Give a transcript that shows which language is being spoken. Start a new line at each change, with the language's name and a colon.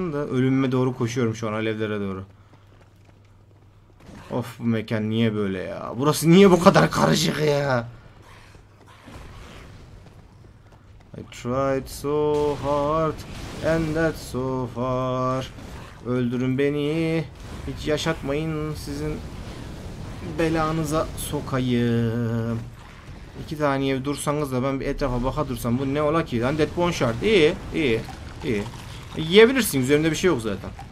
Turkish: Ölümüme doğru koşuyorum şu an, alevlere doğru. Of, bu mekan niye böyle ya? Burası niye bu kadar karışık ya?
English: I tried so hard and that so far.
Turkish: Öldürün beni. Hiç yaşatmayın, sizin belanıza sokayım. 2 saniye dursanız da ben bir etrafa baka dursam, bu ne ola ki? Lan Dead Bone Shard. İyi, iyi, iyi. Yiyebilirsin. Üzerinde bir şey yok zaten.